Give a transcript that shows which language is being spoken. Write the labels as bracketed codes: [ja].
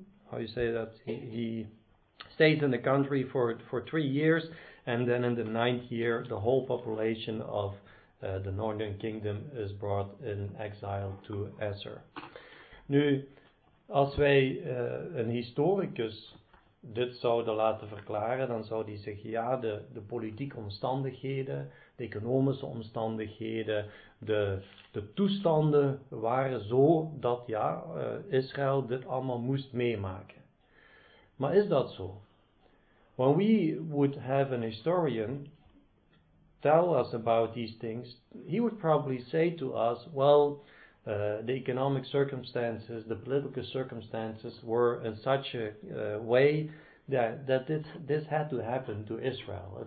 [en] how you say that, he stays in the country for 3 years, and then in the ninth year the whole population of the Northern Kingdom is brought in exile to Assur. [nl] Nu, als wij een historicus dit zouden laten verklaren, dan zou die zeggen, ja, de politieke omstandigheden, de economische omstandigheden, de toestanden waren zo dat, ja, Israël dit allemaal moest meemaken. Maar is dat zo? [en] When we would have an historian tell us about these things, he would probably say to us, well, the economic circumstances, the political circumstances were in such a way that this had to happen to Israel.